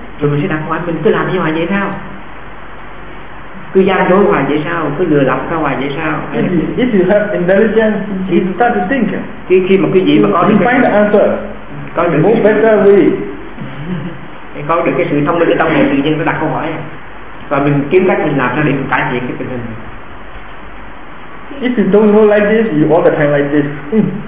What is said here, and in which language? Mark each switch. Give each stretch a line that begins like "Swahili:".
Vietnamese: Rồi mình sẽ đặt hoài, mình cứ làm như hoài vậy sao? Cứ gian dối hoài vậy sao? Cứ lừa lọc ra hoài vậy sao?
English: If you have intelligence, you start to think.
Vietnamese: Khi mà cái gì mà có được,
English: find the answer.
Vietnamese: Có được
English: more better way.
Vietnamese: Thì có được cái sự thông minh ở trong này, tự nhiên nó đặt câu hỏi. Và mình kiếm cách mình làm ra để mình cải thiện cái tình hình.
English: If you don't know like this, you all the time like this.